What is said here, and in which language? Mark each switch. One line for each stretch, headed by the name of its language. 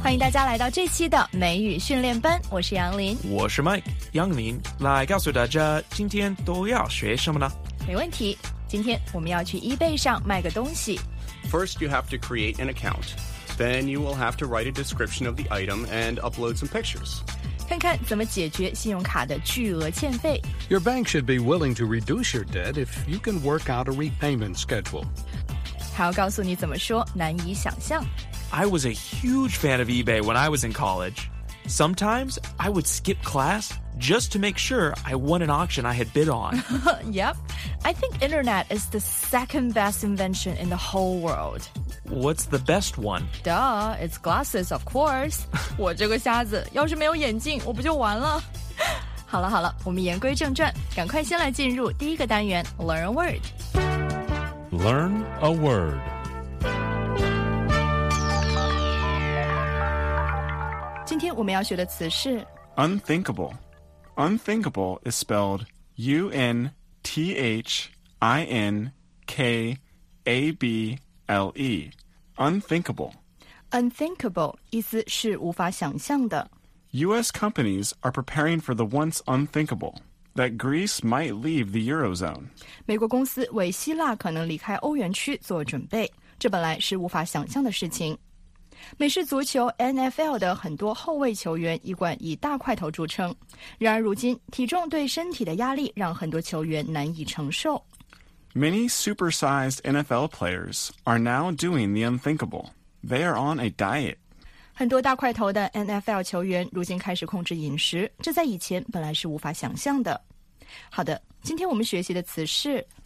Chinese: 家来到这期的美语训练班，我是杨林，我是 Mike。杨林，来告诉大家今天都要学什么呢？没问题，今天我们要去 eBay 上卖个东西。
English: First you have to create an account, then you will have to write a description of the item and upload some pictures.
Chinese: 看看怎么解决信用卡的巨额欠费。
English: Your bank should be willing to reduce your debt if you can work out a repayment schedule.
Chinese: 还要告诉你怎么说，难以想象。
English: I was a huge fan of eBay when I was in college. Sometimes I would skip class just to make sure I won an auction I had bid on. Yep. I think internet is the second best invention in the whole world. What's the best one? Duh, it's glasses, of course.
Chinese: 我这个瞎子要是没有眼镜我不就完了。好了好了，我们言归正传，赶快先来进入第一个单元
English: Learn a word. Learn a word.
Chinese: 今天我们要学的词是
English: Unthinkable. Unthinkable is spelled UNTHINKABLE. Unthinkable.
Chinese: Unthinkable 意思是无法想象的。
English: U.S. companies are preparing for the once unthinkable, that Greece might leave the Eurozone.
Chinese: 美国公司为希腊可能离开欧元区做准备，这本来是无法想象的事情。美式足球 NFL 的很多后卫球员一贯以大块头著称，然而如今，体重对身体的压力让很多球员难以承受。
English: Many supersized NFL players are now doing the unthinkable. They are on a diet.
Chinese: 很多大块头的 NFL 球员如今开始控制饮食，这在以前本来是无法想象的。好的，今天我们学习的词是